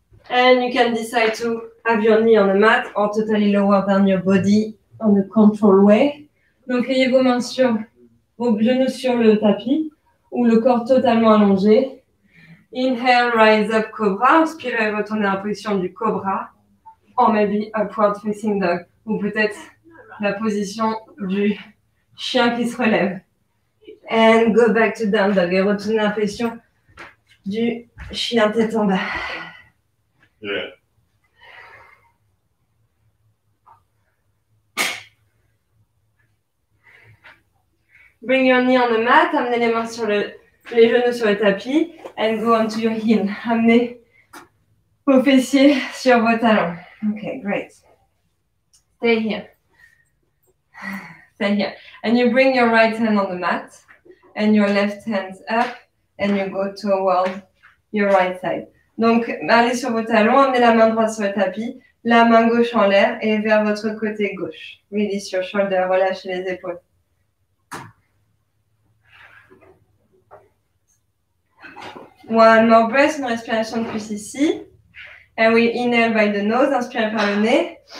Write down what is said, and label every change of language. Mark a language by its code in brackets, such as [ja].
[en] And you can decide to have your knee on the mat or totally lower down your body on the control way. [fr] Donc, ayez vos mains sur vos genoux sur le tapis ou le corps totalement allongé. [en] Inhale, rise up, cobra. [fr] Inspirez, retournez en position du cobra. [en] Or maybe upward facing dog. [fr] Ou peut-être la position du chien qui se relève. [en] And go back to down dog. [fr] Et retournez en position du chien tête en bas. [en] Bring your knee on the mat, [fr] amenez les mains sur les genoux sur le tapis [en] and go onto your heel. [fr] Amenez vos fessiers sur vos talons. [en] Okay, great. Stay here. Stay here. And you bring your right hand on the mat and your left hand up and you go toward your right side. [fr] Donc, allez sur vos talons, amenez la main droite sur le tapis, la main gauche en l'air et vers votre côté gauche. [en] Release your shoulder, [fr] relâchez les épaules. [en] One more breath, [fr] une respiration plus ici. [en] And we inhale by the nose, [fr] inspirez par le nez.